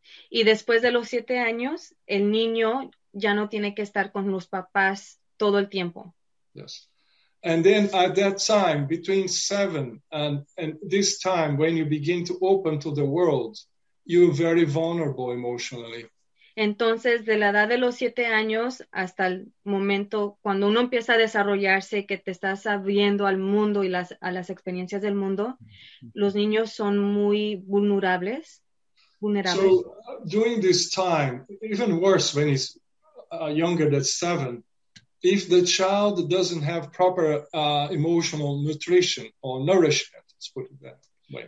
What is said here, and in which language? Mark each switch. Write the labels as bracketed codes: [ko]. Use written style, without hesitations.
[es] Y después de los 7 años, el niño ya no tiene que estar con los papás todo el tiempo. [en] Yes. And then at that time, between 7 and this time, when you begin to open to the world, you're very vulnerable emotionally. [es] Entonces, de la edad de los 7 años hasta el momento, cuando uno empieza a desarrollarse, que te estás abriendo al mundo y a las experiencias del mundo, los niños son muy vulnerables. [en] So during this time, even worse when he's younger than 7, if the child doesn't have proper emotional nutrition or nourishment, let's put it that way.